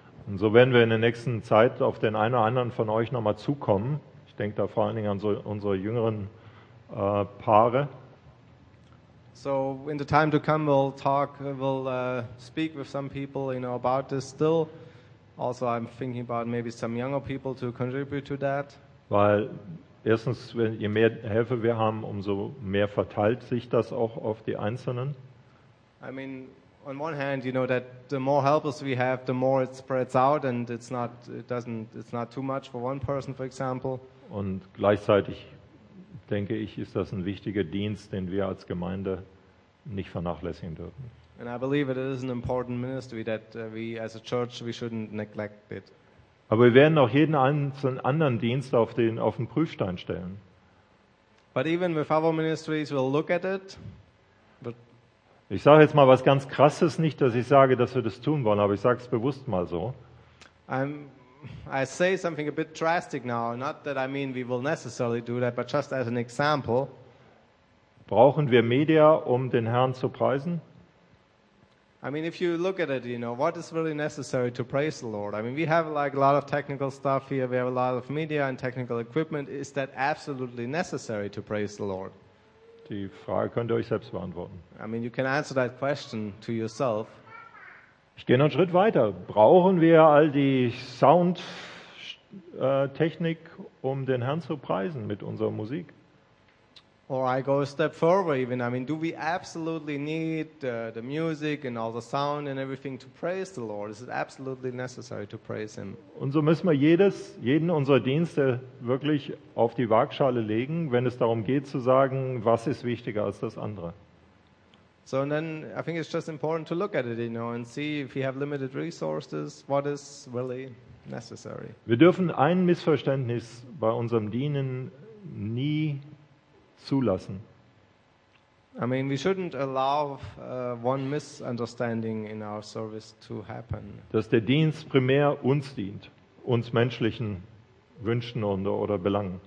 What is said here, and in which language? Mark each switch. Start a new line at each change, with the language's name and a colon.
German: Und so werden wir in der nächsten Zeit auf den einen oder anderen von euch nochmal zukommen. Ich denke da vor allen Dingen an so unsere jüngeren Paare.
English: So in the time to come we'll speak with some people, you know, about this still. Also I'm thinking about maybe some younger people to contribute to that.
German: Weil erstens, je mehr Hilfe wir haben, umso mehr verteilt sich das auch auf die Einzelnen.
English: I mean, on one hand, you know that the more helpers we have, the more it spreads out and it's not too much for one person, for example.
German: Und gleichzeitig denke ich, ist das ein wichtiger Dienst, den wir als Gemeinde nicht vernachlässigen dürfen.
English: And I believe it is an important ministry that we as a church we shouldn't neglect it.
German: Aber wir werden auch jeden einzelnen anderen Dienst auf den Prüfstein stellen.
English: But even with our ministries we'll look at it. But
German: ich sage jetzt mal was ganz Krasses, nicht, dass ich sage, dass wir das tun wollen, aber ich sage es bewusst mal so.
English: I say something a bit drastic now, not that I mean we will necessarily do that, but just as an example.
German: Brauchen wir Media, um den Herrn zu preisen?
English: I mean, if you look at it, you know, what is really necessary to praise the Lord? I mean, we have like a lot of technical stuff here. We have a lot of media and technical equipment. Is that absolutely necessary to praise the Lord?
German: Die Frage könnt ihr euch selbst beantworten.
English: I mean, you can answer that question to yourself.
German: Ich gehe noch einen Schritt weiter. Brauchen wir all die Soundtechnik, um den Herrn zu preisen mit unserer Musik?
English: Or I go a step further even. I mean, do we absolutely need the music and all the sound and everything to praise the Lord? Is it absolutely necessary to praise him?
German: Und so müssen wir jeden unserer Dienste wirklich auf die Waagschale legen, wenn es darum geht zu sagen, was ist wichtiger als das andere.
English: So and then I think it's just important to look at it, you know, and see if we have limited resources, what is really necessary.
German: Wir dürfen ein Missverständnis bei unserem Dienen nie zulassen.
English: I mean, we shouldn't allow one misunderstanding in our service to happen.
German: Dass der Dienst primär uns dient, uns menschlichen Wünschen oder Belangen.